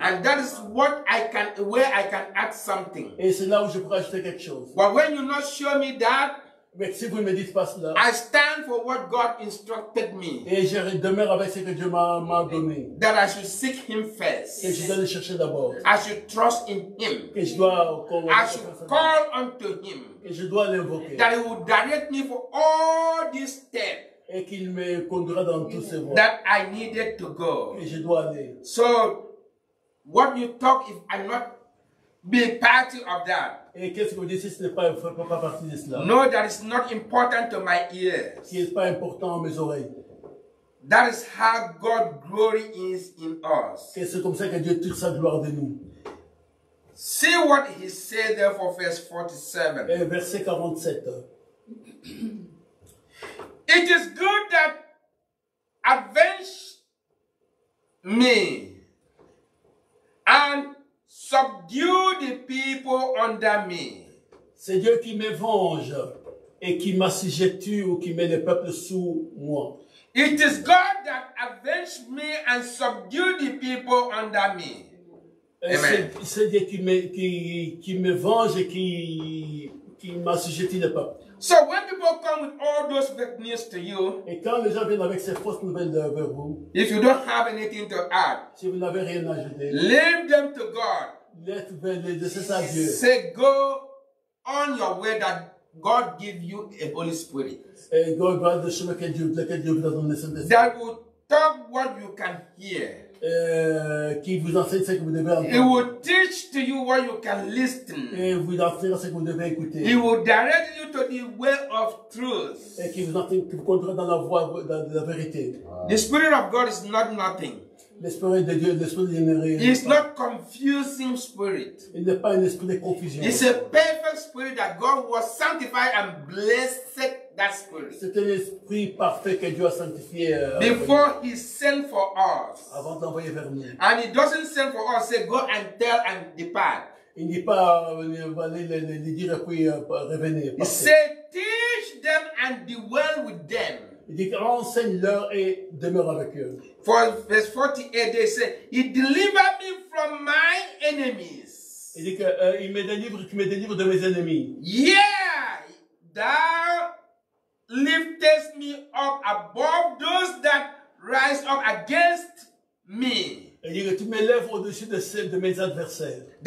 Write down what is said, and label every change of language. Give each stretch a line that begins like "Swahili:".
English: And that is what I can, where I can add something.
French: Et c'est là où je pourrais ajouter quelque chose.
English: But when you not show me that,
French: mais si vous me dites pas cela,
English: I stand for what God instructed me.
French: Et je demeure avec ce que Dieu m'a donné.
English: That I should seek Him first.
French: Que je dois le chercher d'abord.
English: I should trust in Him.
French: Que je dois call.
English: I should call unto Him.
French: Que je dois l'invoquer.
English: That He will direct me for all these steps.
French: Et qu'il me conduira dans tous ces voies.
English: That I needed to go.
French: Que je dois aller.
English: So, what you talk if I'm not be party of that?
French: Et qu'est-ce que vous dites si ce n'est pas, pas partie de cela?
English: No, that is not important to my ears.
French: Ce n'est pas important à mes oreilles.
English: That is how God glory is in us.
French: Et c'est comme ça que Dieu tire sa gloire de nous.
English: See what he said there for verse 47.
French: Et verset 47.
English: It is good that avenge me and subdue the people under me.
French: C'est Dieu qui me venge et qui m'assujettue ou qui met le peuple sous moi.
English: It is God that avenge me and subdue the people under me. Amen.
French: C'est Dieu qui me venge et qui m'assujettue le peuple.
English: So when people come with all those bad news to you,
French: et quand les gens viennent avec ces fausses nouvelles vers vous,
English: if you don't have anything to add,
French: si vous n'avez rien à ajouter,
English: leave them to God.
French: Laissez ça à Dieu.
English: Say go on your way that God give you a Holy Spirit.
French: Et
English: go about the
French: chemin que Dieu vous a donné son esprit.
English: That will talk what you can hear.
French: Qui vous enseigne ce que vous devez entendre.
English: He will teach to you what you can listen.
French: Et vous enseigne ce que vous devez écouter.
English: He will direct you to the way of truth.
French: Et qui vous enseigne, qui vous conduira dans la voie de la vérité.
English: The Spirit of God is not nothing.
French: L'Esprit de Dieu, l'Esprit de Dieu.
English: He is not confusing spirit.
French: Il n'est pas un esprit de confusion.
English: It's a perfect spirit that God was sanctified and blessed. That spirit.
French: C'est un esprit parfait que Dieu a sanctifié.
English: Before he sent for us.
French: Avant d'envoyer vers nous.
English: And he doesn't send for us. Say go and tell and depart.
French: Il dit pas les dire puis revenir.
English: He said teach them and dwell with them.
French: Il dit enseigne-leur et demeure avec eux.
English: For verse 48, they say he delivered me from my enemies.
French: Il dit que il me délivre de mes ennemis.
English: Yeah, thou liftest me up above those that rise up against me.
French: Et dit que tu m'élèves au-dessus de ceux de mes adversaires.